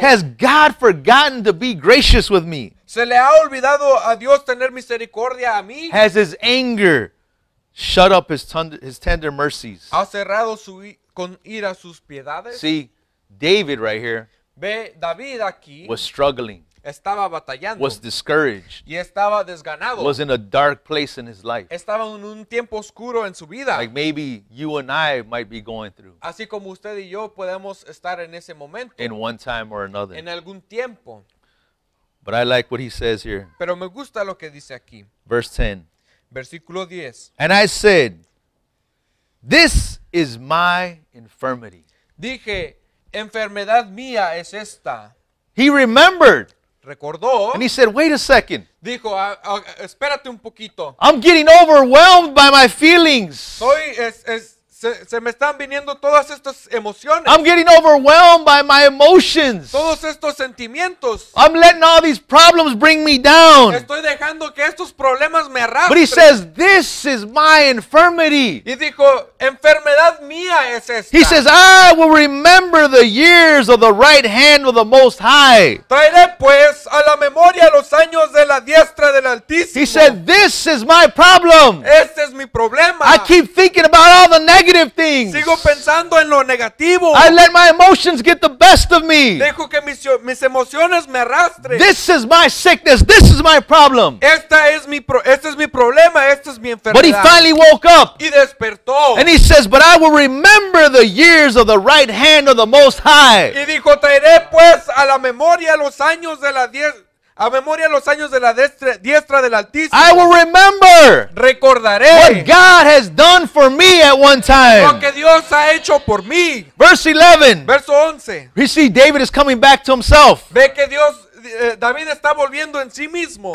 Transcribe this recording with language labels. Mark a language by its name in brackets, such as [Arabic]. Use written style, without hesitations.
[English] Has God forgotten to be gracious with me? [Spanish] ¿Se le ha olvidado a Dios tener misericordia a mí? [English] Has his anger shut up his tender mercies? [Spanish] ¿Ha cerrado con ira sus piedades? [English] See, David right here. [Spanish] Ve, David aquí [English] was struggling, [Spanish] estaba batallando, [English] was discouraged, [Spanish] y estaba desganado, [English] was in a dark place in his life. [Spanish] Estaba en un tiempo oscuro en su vida. [English] Like maybe you and I might be going through. [Spanish] Así como usted y yo podemos estar en ese momento. [English] In one time or another. [Spanish] En algún tiempo. [English] But I like what he says here. [Spanish] Pero me gusta lo que dice aquí. [English] Verse 10. [Spanish] Versículo 10. [English] And I said, this is my infirmity. [Spanish] Dije, enfermedad mía es esta. [English] He remembered. [Spanish] recordó, [English] and he said, wait a second. [Spanish] Dijo, espérate un poquito. [English] I'm getting overwhelmed by my feelings. [Spanish] Se me están viniendo todas estas emociones. [English] I'm getting overwhelmed by my emotions. [Spanish] Todos estos sentimientos. [English] I'm letting all these problems bring me down. [Spanish] Estoy dejando que estos problemas me arrastren. [English] But he says, this is my infirmity. [Spanish] Y dijo, enfermedad mía es esta. [English] He says, I will remember the years of the right hand of the Most High. [Spanish] Traeré pues a la memoria los años de la diestra del Altísimo. [English] He said, this is my problem. [Spanish] Este es mi problema. [English] I keep thinking about all the negative things. [Spanish] Sigo pensando en lo negativo. [English] I let my emotions get the best of me. [Spanish] Dejo que mis emociones me arrastren. [English] This is my sickness. This is my problem. [Spanish] Este es mi problema. Esta es mi enfermedad. [English] But he finally woke up. [Spanish] Y despertó. [English] And he says, but I will remember the years of the right hand of the Most High. [Spanish] Y dijo, traeré pues a la memoria los años de la diez. A memoria los años de la diestra del Altísimo. [English] I will remember. [Spanish] Recordaré. [English] What God has done for me at one time. [Spanish] Lo que Dios ha hecho por mí. [English] Verse 11. [Spanish] Verso 11. [English] You see, David is coming back to himself. [Spanish] Ve que Dios, David está volviendo en sí mismo.